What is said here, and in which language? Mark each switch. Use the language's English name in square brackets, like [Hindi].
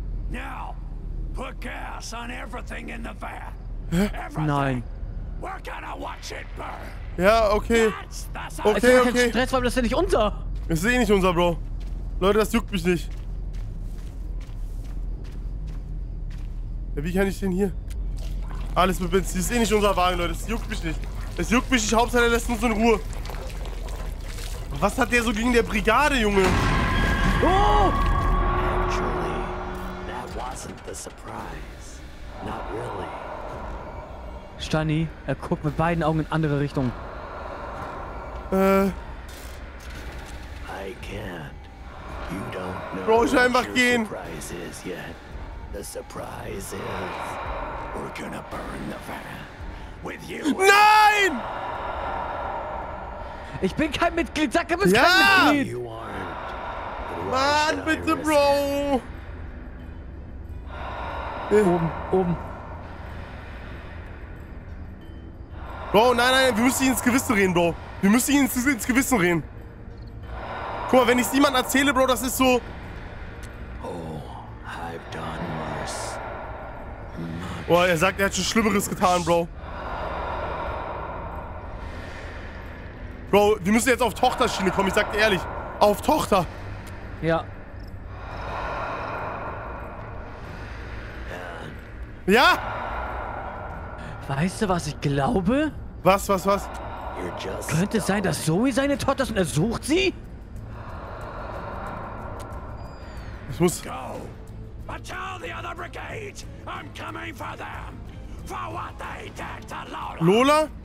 [English] Now, put gas on everything in the van. [German] Nein. [English] We're gonna watch it burn. [German] Ja, okay. Okay. Stress, weil das ist ja nicht unser. Das ist eh nicht unser, Bro. Leute, das juckt mich nicht. Ja, wie kann ich den hier? Alles mit Benzin. Das ist eh nicht unser Wagen, Leute. Das juckt mich nicht. Das juckt mich nicht. Hauptsache, er lässt uns in Ruhe. Was hat der so gegen der Brigade, Junge? Oh! [English] Actually, that wasn't the surprise. Not really. [German] Stani, er guckt mit beiden Augen in andere Richtung. [English] I can't. You don't know. [German] Bro, ich will einfach gehen. [English] Surprise is yet. The surprise is we're gonna burn the van with you. [German] Nein! Ich bin kein Mitglied, sag, du bist kein Mitglied! Ja! Mann, bitte, Bro! Oben. Bro, nein, wir müssen ihn ins Gewissen reden, Bro. Wir müssen ihn ins Gewissen reden. Guck mal, wenn ich es niemandem erzähle, Bro, das ist so... [English] Oh, I've done worse. [German] Oh, er sagt, er hat schon Schlimmeres getan, Bro. Bro, wir müssen jetzt auf Tochterschiene kommen, ich sag dir ehrlich. Auf Tochter! Ja. Ja! Weißt du, was ich glaube? Was? Könnte es sein, dass Zoe seine Tochter ist und er sucht sie? Ich muss. [English] Go! But tell the other brigades, I'm coming for them! For what they did to Lola!